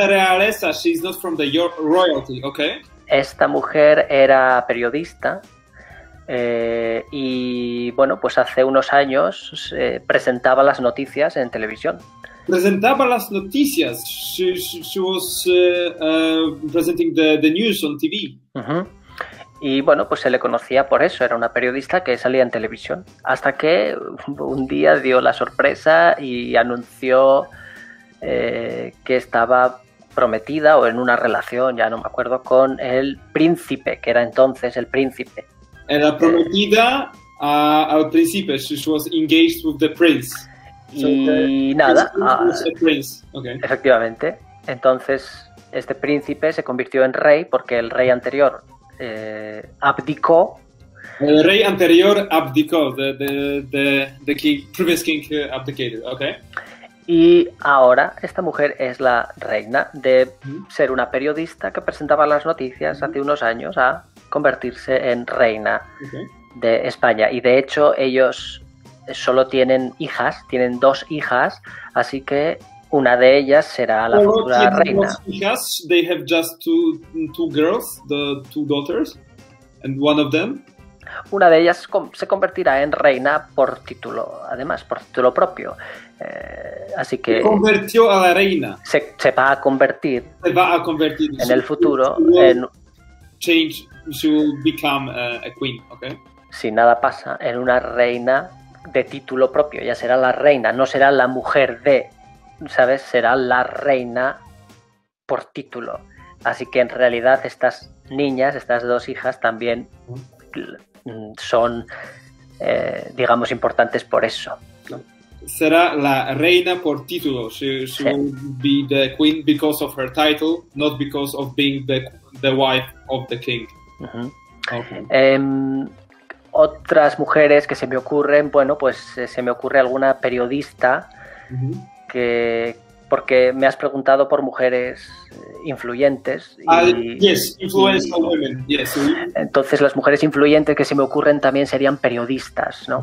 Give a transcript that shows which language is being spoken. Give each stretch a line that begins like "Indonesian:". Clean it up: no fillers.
Spanish: la realeza,
English: she's not from the royalty, okay.
Spanish: era periodista. Y bueno, pues hace unos años presentaba las noticias en televisión. Presentaba las noticias,
English: she was presenting the news on TV.
Spanish: Y bueno, pues se le conocía por eso, era una periodista que salía en televisión. Hasta que un día dio la sorpresa y anunció que estaba prometida o en una relación, ya no me acuerdo, con el príncipe, que era entonces el príncipe. Era prometida al príncipe,
English: she was engaged with the prince. So
Spanish: Y
English: the prince
Spanish: nada,
English: was a prince. Okay.
Spanish: efectivamente. Entonces, este príncipe se convirtió en rey porque el rey anterior abdicó. El rey anterior abdicó,
English: the king, previous king abdicated, okay.
Spanish: Y ahora esta mujer es la reina de ser una periodista que presentaba las noticias hace unos años a convertirse en reina
English: Okay.
Spanish: de España. Y de hecho ellos solo tienen hijas, tienen dos hijas, así que una de ellas será la Solo futura tienen dos reina. hijas.
English: They have just two girls, the two daughters, and one of them.
Spanish: Una de ellas se convertirá en reina por título, además, por título propio. Así que. Se convirtió a la reina. Se va a convertir. Se va a convertir en el futuro.
English: She will become a queen, okay?
Spanish: Si nada pasa, en una reina de título propio. Ya será la reina, no será la mujer de. ¿Sabes? Será la reina por título. Así que en realidad estas niñas, estas dos hijas, también son, digamos, importantes por eso. Será la reina por título.
English: She will be the queen because of her title, not because of being the wife of the king. Uh-huh. Okay.
Spanish: Otras mujeres que se me ocurren, bueno, pues se me ocurre alguna periodista que... Porque me has preguntado por mujeres influyentes.
English: Influential women.
Spanish: Entonces, las mujeres influyentes que se me ocurren también serían periodistas, ¿no?